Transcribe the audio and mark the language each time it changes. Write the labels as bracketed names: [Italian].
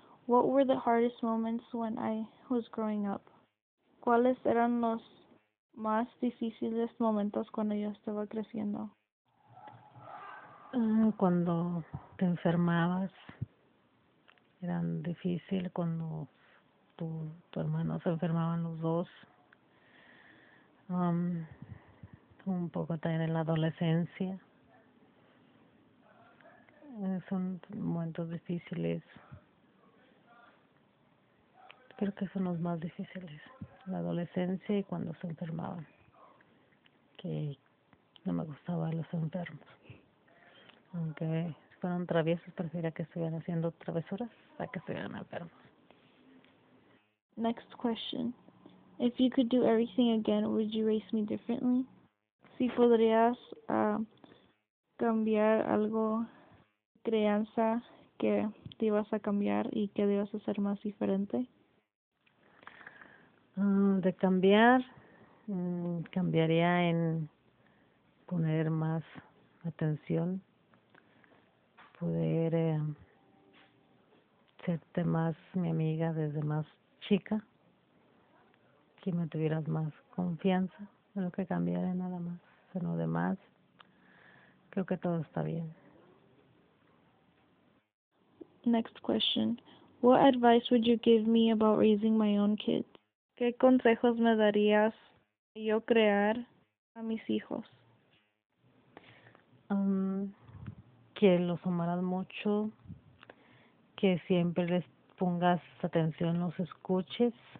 [English] What were the hardest moments when I was growing up? [Spanish] ¿Cuáles eran los más difíciles momentos cuando yo estaba creciendo? Cuando te enfermabas, eran difícil cuando tu hermano se enfermaban los dos. Un poco también en la adolescencia. Son momentos difíciles. Creo que son los más difíciles. La adolescencia y cuando se enfermaban. Que no me gustaba los enfermos. Aunque fueron traviesos, prefería que estuvieran haciendo travesuras a que estuvieran enfermos. [English] Next question. If you could do everything again, would you raise me differently? [Spanish] Si podrías cambiar algo, crianza, que te ibas a cambiar y que ibas a hacer más diferente. De cambiar, cambiaría en poner más atención, poder serte más mi amiga desde más chica. Que me tuvieras más confianza, en lo que cambiara nada más, en lo demás, creo que todo está bien. [English] Next question. What advice would you give me about raising my own kids? [Spanish] ¿Qué consejos me darías yo crear a mis hijos? Que los amaras mucho, que siempre les pongas atención, los escuches.